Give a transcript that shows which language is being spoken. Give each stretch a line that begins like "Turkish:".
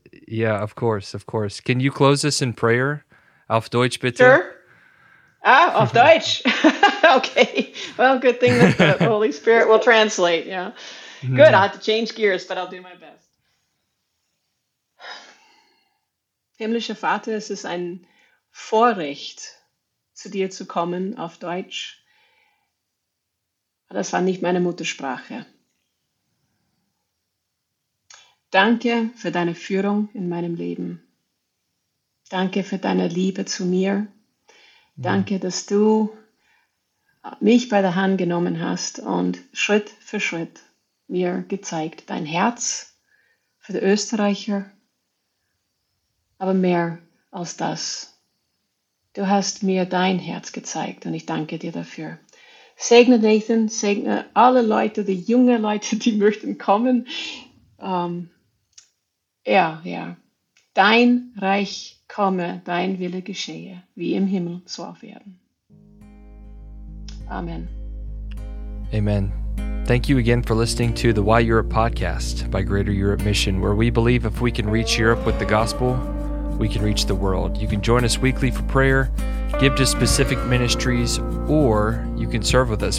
English: Yeah, of course, of course. Can you close us in prayer?
German: Auf Deutsch, bitte.
English: Sure. Ah,
German: auf Deutsch.
English: Okay. Well, good thing that the Holy Spirit will translate. Yeah. Good. I'll have to change gears, but I'll do my best.
German: Himmlischer Vater, es ist ein Vorrecht, zu dir zu kommen, auf Deutsch. Das war nicht meine Muttersprache. Danke für deine Führung in meinem Leben. Danke für deine Liebe zu mir. Danke, dass du mich bei der Hand genommen hast und Schritt für Schritt mir gezeigt, dein Herz für die Österreicher, aber mehr als das. Du hast mir dein Herz gezeigt und ich danke dir dafür. Segne Nathan, segne alle Leute, die jungen Leute, die möchten kommen. Ja. Dein Reich komme, dein Wille geschehe, wie im Himmel so auf Erden. Amen. Amen.
English: Thank you again for listening to the Why Europe podcast by Greater Europe Mission, where we believe if we can reach Europe with the gospel, we can reach the world. You can join us weekly for prayer, give to specific ministries, or you can serve with us.